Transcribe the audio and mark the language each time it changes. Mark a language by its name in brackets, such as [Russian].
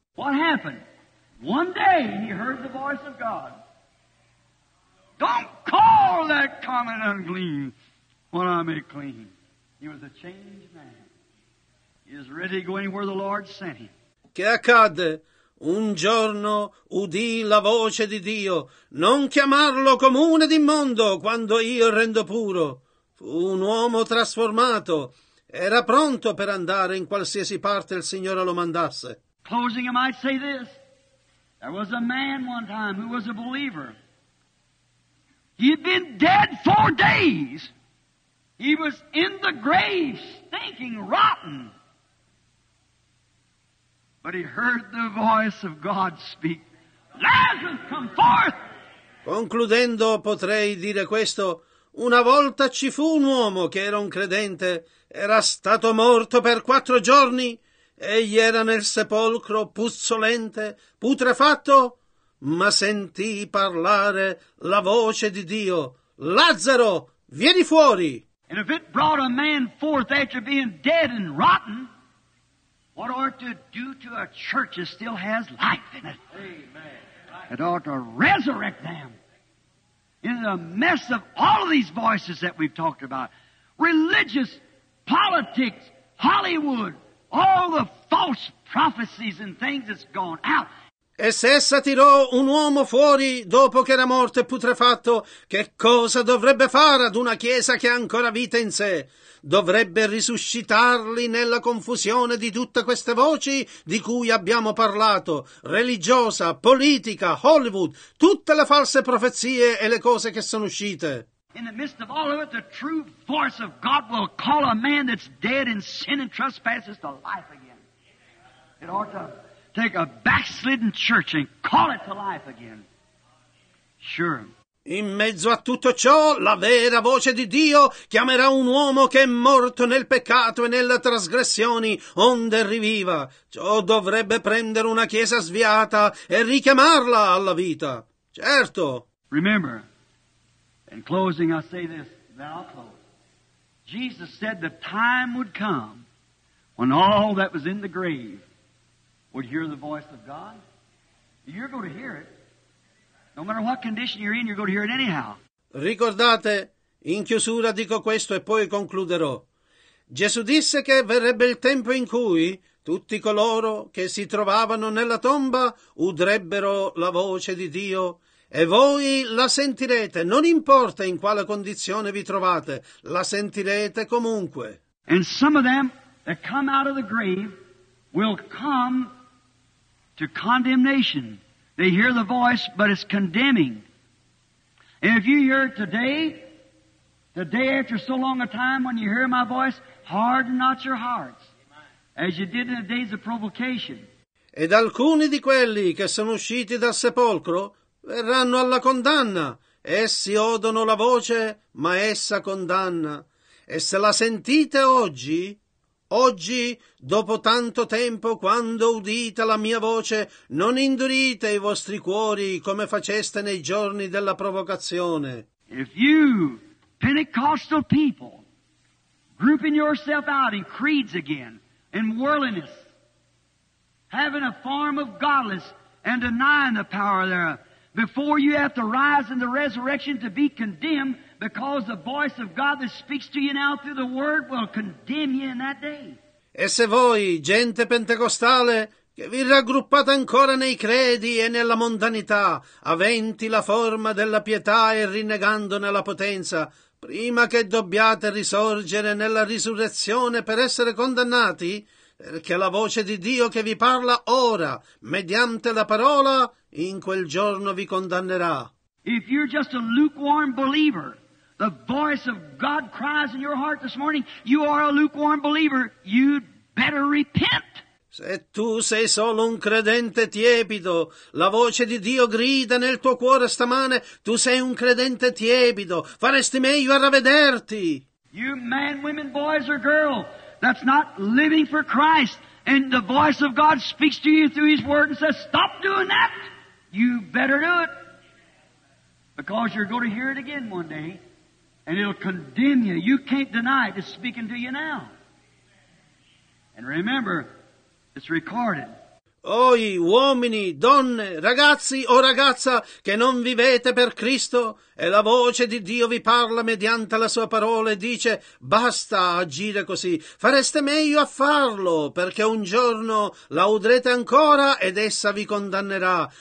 [English] What happened? One day he heard the voice of God. Don't call that common unclean when I make clean. He was a changed man. Is ready to go anywhere the Lord sent him. [Italian] Che accadde? Un giorno udì la voce di Dio. Non chiamarlo comune d'immondo quando io rendo puro. Fu un uomo trasformato. Era pronto per andare in qualsiasi parte il Signore lo mandasse. [English] Closing, I might say this. There was a man one time who was a believer. He had been dead 4 days. He was in the grave, stinking, rotten. But he heard the voice of God speak. Lazarus, come forth! [Italian] Concludendo, potrei dire questo. Una volta ci fu un uomo che era un credente. Era stato morto per 4 giorni. Egli era nel sepolcro puzzolente, putrefatto, ma sentì parlare la voce di Dio. Lazzaro, vieni fuori! [English] And if it brought a man forth after being dead and rotten, what ought to do to a church that still has life in it? Amen. It ought to resurrect them in the mess of all of these voices that we've talked about. Religious, politics, Hollywood, all the false prophecies and things that's gone out. [Italian] E se essa tirò un uomo fuori dopo che era morto e putrefatto, che cosa dovrebbe fare ad una chiesa che ha ancora vita in sé? Dovrebbe risuscitarli nella confusione di tutte queste voci di cui abbiamo parlato, religiosa, politica, Hollywood, tutte le false profezie e le cose che sono uscite. [English] In the midst of all of it, the true voice of God will call a man that's dead in sin and trespasses to life again. It ought to take a backslidden church and call it to life again. Sure. [Italian] In mezzo a tutto ciò, la vera voce di Dio chiamerà un uomo che è morto nel peccato e nelle trasgressioni, onde riviva. Ciò dovrebbe prendere una chiesa sviata e richiamarla alla vita. Certo. [English] Remember, in closing I say this, then I'll close. Jesus said the time would come when all that was in the grave would hear the voice of God. You're going to hear it. No matter what condition you're in, you're going to hear it anyhow. [Italian] Ricordate, in chiusura dico questo e poi concluderò. Gesù disse che verrebbe il tempo in cui tutti coloro che si trovavano nella tomba udrebbero la voce di Dio e voi la sentirete, non importa in quale condizione vi trovate, la sentirete comunque. [English] And some of them that come out of the grave will come to condemnation. They hear the voice, but it's condemning. And if you hear it today, the day after so long a time when you hear my voice, harden not your hearts, as you did in the days of provocation. [Italian] Ed alcuni di quelli che sono usciti dal sepolcro verranno alla condanna. Essi odono la voce, ma essa condanna. E se la sentite oggi, oggi, dopo tanto tempo, quando udite la mia voce, non indurite i vostri cuori come faceste nei giorni della provocazione. [English] If you, Pentecostal people, grouping yourself out in creeds again, in worldliness, having a form of godliness and denying the power thereof, before you have to rise in the resurrection to be condemned, because the voice of God that speaks to you now through the Word will condemn you in that day. [Italian] E se voi, gente pentecostale, che vi raggruppate ancora nei credi e nella mondanità, aventi la forma della pietà e rinnegandone la potenza, prima che dobbiate risorgere nella risurrezione per essere condannati, perché la voce di Dio che vi parla ora, mediante la parola, in quel giorno vi condannerà. [English] If you're just a lukewarm believer, the voice of God cries in your heart this morning, you are a lukewarm believer, you'd better repent. [Italian] Se tu sei solo un credente tiepido, la voce di Dio grida nel tuo cuore stamane, tu sei un credente tiepido, faresti meglio a ravvederti. [English] You man, women, boys or girl, that's not living for Christ, and the voice of God speaks to you through His Word and says, stop doing that, you better do it. Because you're going to hear it again one day, and it'll condemn you. You can't deny it. It's speaking to you now. And remember, it's recorded. [Italian] Oi, uomini, donne, ragazzi o ragazza che non vivete per Cristo, e la voce di Dio vi parla mediante la sua parola e dice, basta agire così, fareste meglio a farlo, perché un giorno la udrete ancora ed essa vi condannerà.